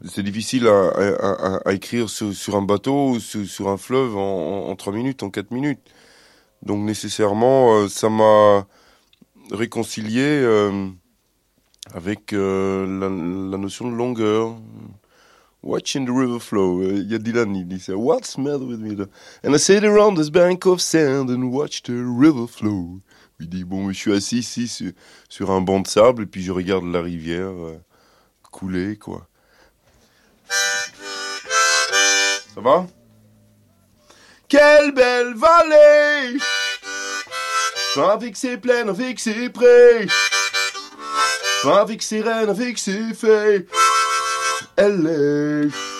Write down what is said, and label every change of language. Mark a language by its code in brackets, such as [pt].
[fr] C'est difficile à écrire sur un bateau ou sur un fleuve en 3 minutes, en 4 minutes. Donc nécessairement, ça m'a réconcilié avec la notion de longueur. [en] Watching the river flow. [fr] Y a Dylan, il dit ça. [en] What's the matter with me? And I sit around this bank of sand and watch the river flow. [fr] Il dit, bon, je suis assis ici sur un banc de sable et puis je regarde la rivière couler, quoi. Ça va? Quelle belle vallée! Avec ses plaines, avec ses prés. Avec ses reines, avec ses fées. Elle est...